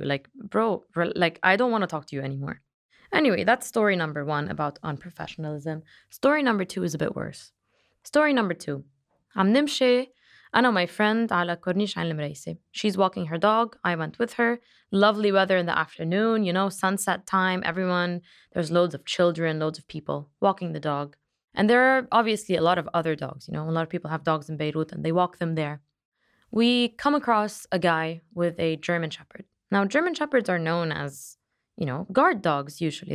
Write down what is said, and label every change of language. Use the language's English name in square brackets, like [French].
[English] Like, bro, like I don't want to talk to you anymore. Anyway, that's story number one about unprofessionalism. Story number two is a bit worse. Story number two. [Arabic] عم نمشي أنا [English] my friend [Arabic] على كورنيش عين المريسة. [English] She's walking her dog. I went with her. Lovely weather in the afternoon, you know, sunset time. Everyone, there's loads of children, loads of people walking the dog. And there are obviously a lot of other dogs. You know, a lot of people have dogs in Beirut and they walk them there. We come across a guy with a German Shepherd. Now, German Shepherds are known as, you know, guard dogs usually.